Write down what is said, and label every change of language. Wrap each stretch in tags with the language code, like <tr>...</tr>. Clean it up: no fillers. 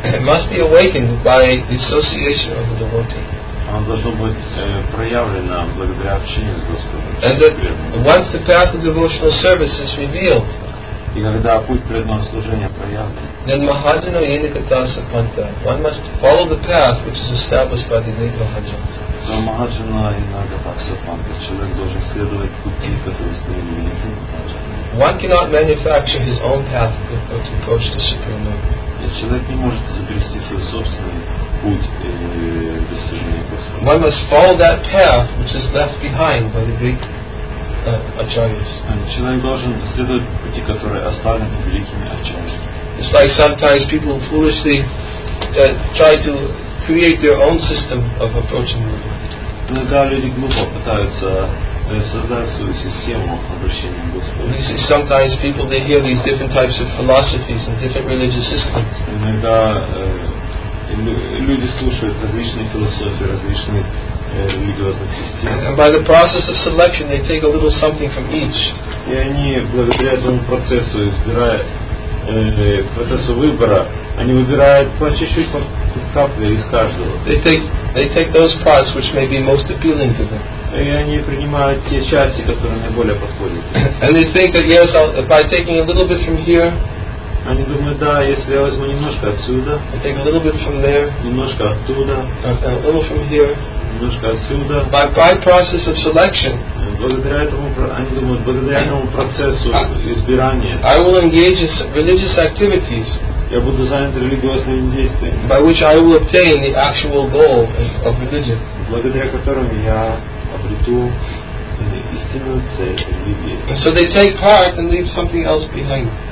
<en>It must be awakened by the association of the devotee.</en> <ru>Оно должно быть проявлено благодаря общению с Господом.</ru> <en>And once the path of devotional service is revealed,</en> <ru>и когда путь преданного служения проявлен,</ru> <en>then</en> <sa>mahajano yena katasa panta,</sa> <en>one must follow the path which is established by the late mahajans.</en> <ru>Но</ru> <sa>mahajano yena katasa panta,</sa> <ru>человек должен следовать пути, которые установили великие mahajans.</ru> <en>One cannot manufacture his own path to approach the Supreme Lord.</en> <ru>Человек не может изобрести свой собственный путь достижения Господа.</ru> <en>One must follow that path which is left behind by the great acharyas.</en> <ru>Человек должен следовать пути, которые оставлены великими ачарьями.</ru> <en>It's like sometimes people foolishly try to create their own system of approaching the Lord.</en> <ru>Иногда люди глупо пытаются создать свою систему обращения к Господу.</ru> <en>You see, sometimes people they hear these different types of philosophies and different religious systems.</en> <ru>Иногда люди слушают различные философии, различные религиозные системы.</ru> <en>And by the process of selection, they take a little something from each.</en> <ru>И они благодаря этому процессу выбора, они выбирают по чуть-чуть, по капле из каждого.</ru> <en>They take those parts which may be most appealing to them.</en> <ru>И они принимают те части, которые наиболее подходят.</ru> <en>And they think that yes, by taking a little bit from here.</en> <ru>Они думают, да, если я возьму немножко отсюда.</ru> <en>I take a little bit from there.</en> <ru>Немножко оттуда.</ru> <en>A little from here.</en> <ru>Немножко отсюда.</ru> <en>By process of selection.</en> <ru>Благодаря этому, они думают, благодаря этому процессу избирания.</ru> <en>I will engage in religious activities.</en> <ru>Я буду занят религиозными действиями.</ru> <en>By which I will obtain the actual goal of religion.</en> <ru>Благодаря которым я обрету истинную цель религии.</ru> <en>So they take part and leave something else behind.</en>